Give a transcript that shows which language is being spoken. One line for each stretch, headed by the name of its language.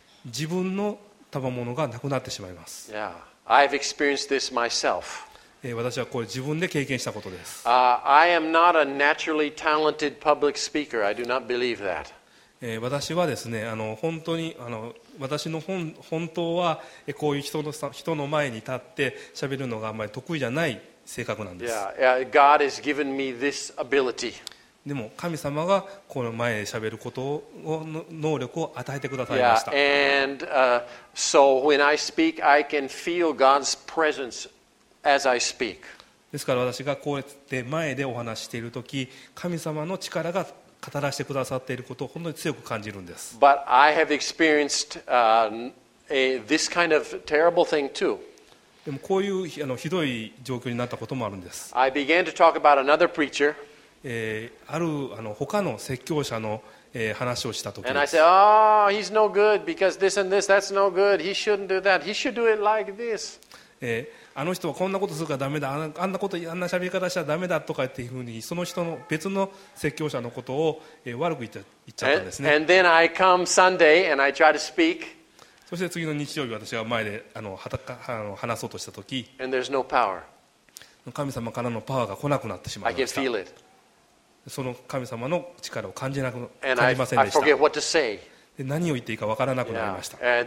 Japanese: 自分の賜物がなくなってしまいます。
English: Yeah. I've experienced this myself.
Japanese: 私はこれ自分で経験したことです。
English: I am not a naturally talented public speaker. I do not believe that.
Japanese: 私はですね、本当に私の本当はこういう人の前に立って喋るのがあまり得意じゃない。性格なんです。
English: Yeah, God has given me this ability.
Japanese: でも神様がこの前で喋ることを能力を与えてくださいました。
English: Yeah, and, so when I speak, I can feel God's presence as I speak.
Japanese: ですから私がこうやって前でお話しているとき、神様の力が語らせてくださっていることを本当に強く感じるんです。
English: But I have experienced, this kind of terrible thing too.
Japanese: でもこういうひどい状況になったこともあるんです。
English: I began to talk about another preacher.
Japanese: ある他の説教者の、話をした時です。
English: And I said, oh, he's no good because this and this, that's no good. He shouldn't do that. He should do it like this.
Japanese: あの人はこんなことするからダメだ。あんなこと、あんな喋り方したらダメだとかっていうふうに、その人の別の説教者のことを悪く言っちゃったんですね。
English: And then I come Sunday and I try to speak.
Japanese: そして次の日曜日、私が前で話そうとしたとき、
English: no、
Japanese: 神様からのパワーが来なくなってしまいました。
English: I can feel it.
Japanese: その神様の力を感じませんでした。で、何を言っていいか分からなくなりました。